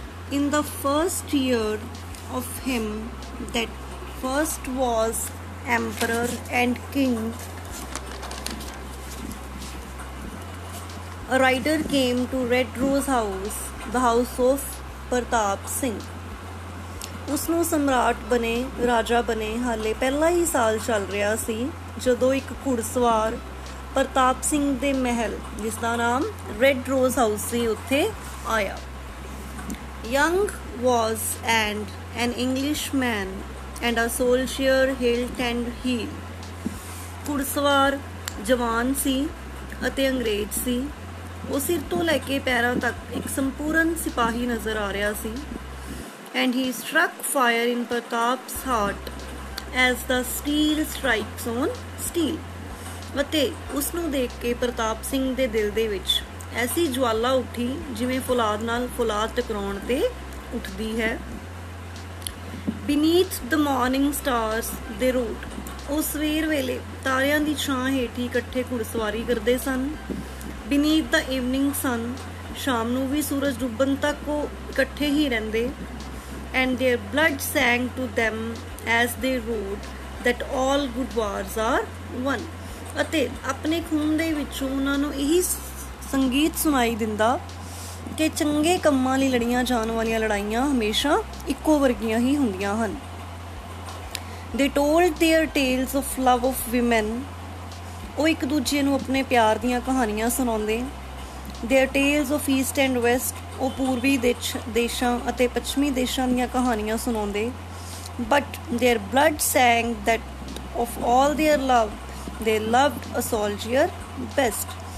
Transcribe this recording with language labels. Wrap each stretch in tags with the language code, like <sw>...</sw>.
<en>In the first year of him that first was emperor and king, a rider came to Red Rose House, the house of Pratap Singh.</en> <pa>ਉਸਨੂੰ ਸਮਰਾਟ ਬਣੇ ਰਾਜਾ ਬਣੇ ਹਾਲੇ ਪਹਿਲਾ ਹੀ ਸਾਲ ਚੱਲ ਰਿਹਾ ਸੀ ਜਦੋਂ ਇੱਕ ਘੁੜਸਵਾਰ ਪ੍ਰਤਾਪ ਸਿੰਘ ਦੇ ਮਹਿਲ ਜਿਸਦਾ ਨਾਮ ਰੈੱਡ ਰੋਜ਼ ਹਾਊਸ ਸੀ ਉੱਥੇ ਆਇਆ.</pa> <en>Young was and an English man and a soldier hilt and heel.</en> <pa>ਘੁੜਸਵਾਰ ਜਵਾਨ ਸੀ ਅਤੇ ਅੰਗਰੇਜ਼ ਸੀ. ਉਹ ਸਿਰ ਤੋਂ ਲੈ ਕੇ ਪੈਰਾਂ ਤੱਕ ਇੱਕ ਸੰਪੂਰਨ ਸਿਪਾਹੀ ਨਜ਼ਰ ਆ ਰਿਹਾ ਸੀ.</pa> <en>And he struck fire in Pratap's heart as the steel strikes on steel.</en> <pa>ਅਤੇ ਉਸਨੂੰ ਦੇਖ ਕੇ ਪ੍ਰਤਾਪ ਸਿੰਘ ਦੇ ਦਿਲ ਦੇ ਵਿੱਚ ਐਸੀ ਜਵਾਲਾ ਉੱਠੀ ਜਿਵੇਂ ਫੌਲਾਦ ਨਾਲ ਫੌਲਾਦ ਟਕਰਾਉਣ 'ਤੇ ਉੱਠਦੀ ਹੈ.</pa> <en>Beneath the morning stars they rode.</en> <pa>ਉਹ ਸਵੇਰ ਵੇਲੇ ਤਾਰਿਆਂ ਦੀ ਛਾਂ ਹੇਠ ਹੀ ਇਕੱਠੇ ਘੁੜਸਵਾਰੀ ਕਰਦੇ ਸਨ.</pa> <en>Beneath the evening sun,</en> <pa>ਸ਼ਾਮ ਨੂੰ ਵੀ ਸੂਰਜ ਡੁੱਬਣ ਤੱਕ ਉਹ ਇਕੱਠੇ ਹੀ ਰਹਿੰਦੇ.</pa> <en>And their blood sang to them as they rode that all good wars are won.</en> <pa>ਅਤੇ ਆਪਣੇ ਖੂਨ ਦੇ ਵਿੱਚੋਂ ਉਹਨਾਂ ਨੂੰ ਇਹੀ ਸੰਗੀਤ ਸੁਣਾਈ ਦਿੰਦਾ ਕਿ ਚੰਗੇ ਕੰਮਾਂ ਲਈ ਲੜੀਆਂ ਜਾਣ ਵਾਲੀਆਂ ਲੜਾਈਆਂ ਹਮੇਸ਼ਾ ਇੱਕੋ ਵਰਗੀਆਂ ਹੀ ਹੁੰਦੀਆਂ ਹਨ.</pa> <en>They told their tales of love of women.</en> <pa>ਉਹ ਇੱਕ ਦੂਜੇ ਨੂੰ ਆਪਣੇ ਪਿਆਰ ਦੀਆਂ ਕਹਾਣੀਆਂ ਸੁਣਾਉਂਦੇ.</pa> <en>Their tales of east and west.</en> <pa>ਉਹ ਪੂਰਬੀ ਦੇਸ਼ਾਂ ਅਤੇ ਪੱਛਮੀ ਦੇਸ਼ਾਂ ਦੀਆਂ ਕਹਾਣੀਆਂ ਸੁਣਾਉਂਦੇ.</pa> <en>But their blood sang that of all their love they loved a soldier best.</en>